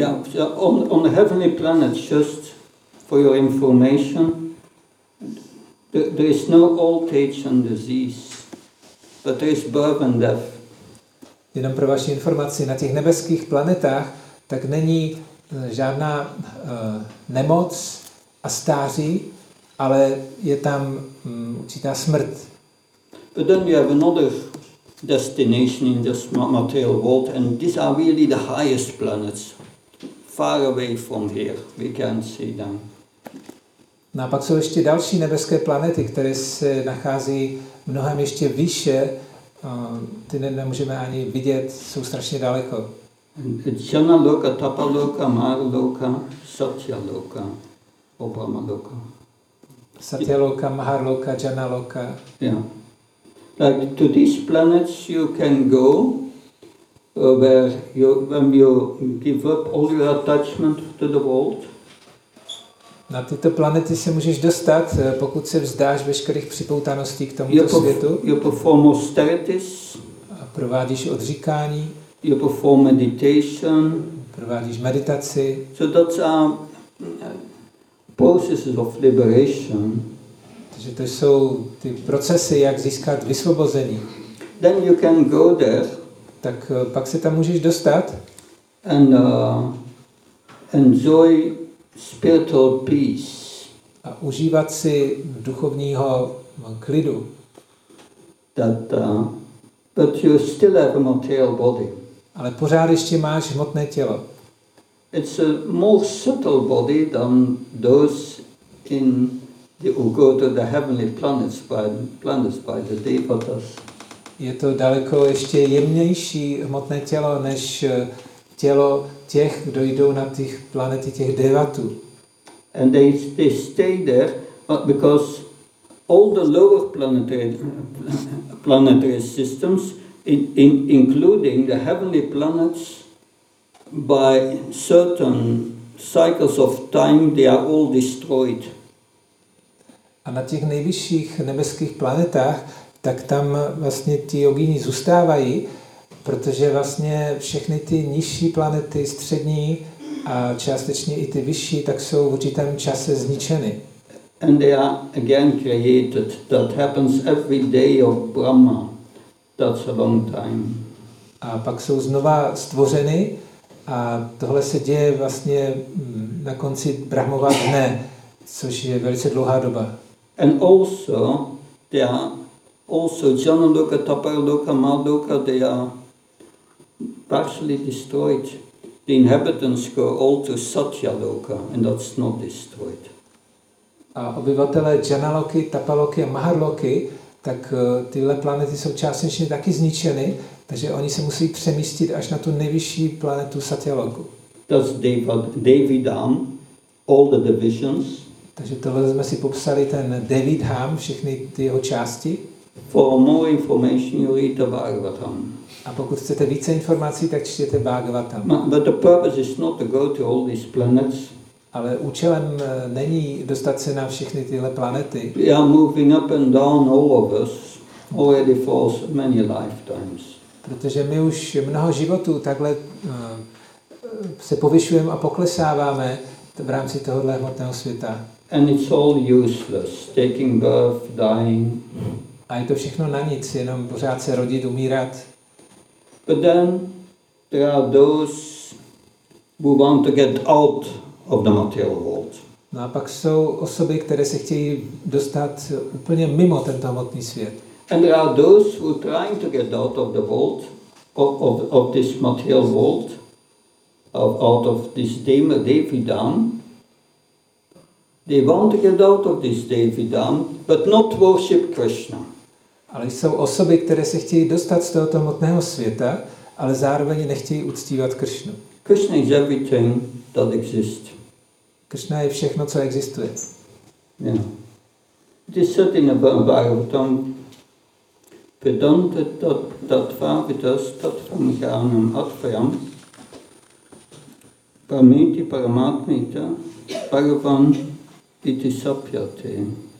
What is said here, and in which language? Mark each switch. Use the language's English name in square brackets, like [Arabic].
[English] Yeah, on heavenly planet, just for your information, there is no old age and disease. But there is birth and death. [Czech] Jenom pro vaši informaci, na těch nebeských planetách tak není žádná nemoc a stáří, ale je tam určitá smrt. [English] But then you have another destination in this material world, and these are really the highest planets, far away from here. We can't see them. [Czech] No a pak jsou ještě další nebeské planety, které se nachází mnohem ještě výše. Ty nemůžeme ani vidět, jsou strašně daleko. Jana loka, tapa loka, mar loka, satya loka, obama loka. Satya loka, mar loka, jana loka. [English] Yeah. Like to these planets you can go where you give up all your attachment to the world. [Czech] Na tyto planety se můžeš dostat, pokud se vzdáš veškerých připoutaností k tomuto světu. [English] You perform austerities. [Czech] Provádíš odříkání. [English] You perform meditation. [Czech] Provádíš meditaci. [English] So that's a process of liberation. [Czech] Takže to jsou ty procesy, jak získat vysvobození. [English] Then you can go there. [Czech] Tak pak se tam můžeš dostat. [English] And enjoy spiritual peace. [Czech] A užívat si duchovního klidu. [English] That, but you still have a material body. [Czech] Ale pořád ještě máš hmotné tělo. [English] It's a more subtle body than those in the Ugota, the heavenly planets, by the devatas. [Czech] Je to daleko ještě jemnější hmotné tělo než tělo těch, kdo jdou na ty planety těch devatů. [English] And they stay there because all the lower planetary systems, including the heavenly planets, by certain cycles of time, they are all destroyed. [Czech] A na těch nejvyšších nebeských planetách, tak tam vlastně ti jogíni zůstávají, protože vlastně všechny ty nižší planety, střední a částečně i ty vyšší, tak jsou v určitém čase zničeny. [English] And they are again created. That happens every day of Brahma. That's a long time. [Czech] A pak jsou znova stvořeny. A tohle se děje vlastně na konci Brahmova dne, což je velice dlouhá doba. [English] And also they are also Janaloka, Taparaloka, Maloka, they are partially destroyed. The inhabitants go all to Satyaloka and that's not destroyed. [Czech] A obyvatelé Janaloky, Tapaloky a Maharloky, tak tyhle planety jsou částečně taky zničeny. Takže oni se musí přemístit až na tu nejvyšší planetu Satyaloku. [English] That's Devidham, all the divisions. [Czech] Takže tohle jsme si popsali ten Devidham, všechny ty jeho části. [English] For more information, you read the Bhagavatam. [Czech] A pokud chcete více informací, tak čtěte Bhagavatam. [English] But the purpose is not to go to all these planets. [Czech] Ale účelem není dostat se na všechny tyhle planety. [English] We are moving up and down all of us already for many lifetimes. [Czech] Protože my už mnoho životů takhle se povyšujeme a poklesáváme v rámci tohohle hmotného světa. [English] And it's all useless, taking birth, dying. [Czech] A je to všechno na nic, jenom pořád se rodit, umírat. [English] But then there are those who want to get out of the material world. [Czech] No a pak jsou osoby, které se chtějí dostat úplně mimo tento hmotný svět. [English] And there are those who are trying to get out of the world, of this material world, out of this Devidham. They want to get out of this Devidham, but not worship Krishna. [Czech] Ale jsou osoby, které se chtějí dostat z tohoto hmotného světa, ale zároveň nechtějí uctívat Krishnu. [English] Krishna is everything that exists. [Czech] Krishna je všechno, co existuje. [English] Yeah. It is said in a Bhagavatam. [Sanskrit] Vedanta tatvavitas tatvam jnanam atvayam prameti paramatmita bhagavan iti sapyate.